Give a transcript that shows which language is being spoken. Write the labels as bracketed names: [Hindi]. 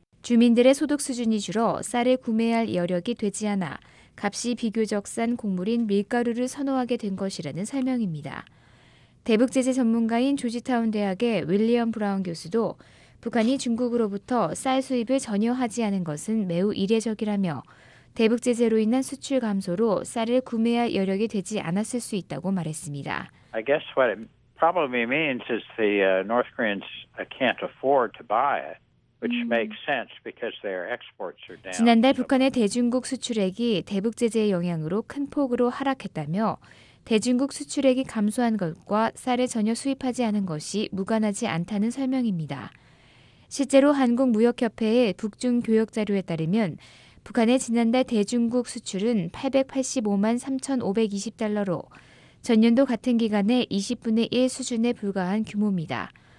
[Korean] 주민들의 소득 수준이 줄어 쌀을 구매할 여력이 되지 않아 값이 비교적 싼 곡물인 밀가루를 선호하게 된 것이라는 설명입니다. 대북 제재 전문가인 조지타운 대학의 윌리엄 브라운 교수도 북한이 중국으로부터 쌀 수입을 전혀 하지 않은 것은 매우 이례적이라며 대북 제재로 인한 수출 감소로 쌀을 구매할 여력이 되지 않았을 수 있다고 말했습니다. [English] I guess what it probably means is the North Koreans can't afford to buy it. Which makes sense because their exports are down. [Korean] 지난달 북한의 대중국 수출액이 대북 제재의 영향으로 큰 폭으로 하락했다며 대중국 수출액이 감소한 것과 쌀을 전혀 수입하지 않은 것이 무관하지 않다는 설명입니다. 실제로 한국무역협회의 북중교역자료에 따르면 북한의 지난달 대중국 수출은 885만 3,520달러로 전년도 같은 기간의 20분의 1 수준에 불과한 규모입니다.